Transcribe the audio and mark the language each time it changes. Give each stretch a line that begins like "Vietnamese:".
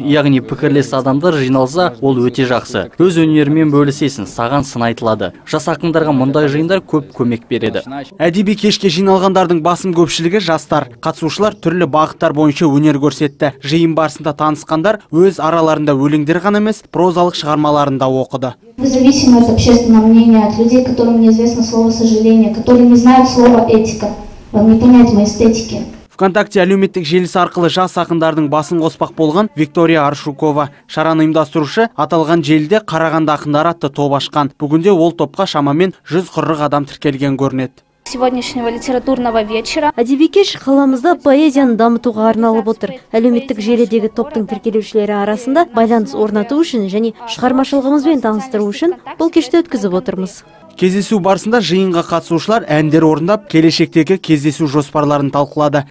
Kazakh: Яғни пікірлес адамдар жиналса, ол өте жақсы. Өз өнерімен бөлісесің, саған сын айтылады. Жас ақындарға мұндай жиындар көп көмек береді. Әдеби кешке жиналғандардың басым көпшілігі жастар. Қатысушылар түрлі бағыттар бойынша өнер көрсетті. Жиын барысында танысқандар өз араларында өлеңдер ғана емес, прозалық шығармаларын да оқыды.
Russian: Независимо от общественного мнения, от людей, которым неизвестно слово сожаление, которые не знают слова этика. Вам не понять моей эстетики.
Kazakh: ВКонтакте әлеуметтік желісі арқылы жас ақындардың басын қоспақ болған Виктория Аршукова. Шараны ұйымдастырушы аталған желіде Қарағанды ақындары атты топ ашқан. Бүгінде ол топқа шамамен 140 адам тіркелген көрінеді.
Russian: Сегодняшнего литературного вечера.
Kazakh: Әдеби кеш қаламызда поэзияны дамытуға арналып отыр. Әлеуметтік желідегі топтың тіркелушілері арасында байланыс орнату үшін және шығармашылығымызбен таныстыру үшін бұл кешті өткізіп отырмыз. Кездесу барысында жиынға қатысушылар әндер орындап, келешектегі кездесу жоспарларын талқылады.